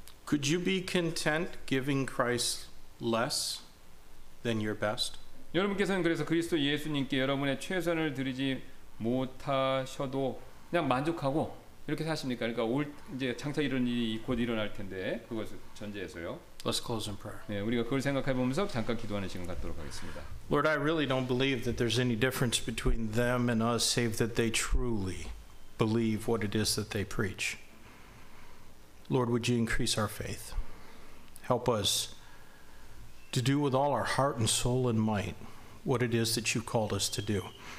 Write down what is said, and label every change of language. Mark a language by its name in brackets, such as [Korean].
[English] Could you be content giving Christ less than your best? [Korean] 여러분께서는 그래서 그리스도 예수님께 여러분의 최선을 드리지 못하셔도 그냥 만족하고 이렇게 사십니까? 그러니까 올 이제 장차 이런 일이 곧 일어날 텐데 그것을 전제해서요. [English] Let's close in prayer. [Korean] 네, 우리가 그걸 생각해 보면서 잠깐 기도하는 시간 갖도록 하겠습니다. [English] Lord, I really don't believe that there's any difference between them and us, save that they truly believe what it is that they preach. Lord, would you increase our faith? Help us to do with all our heart and soul and might what it is that you called us to do.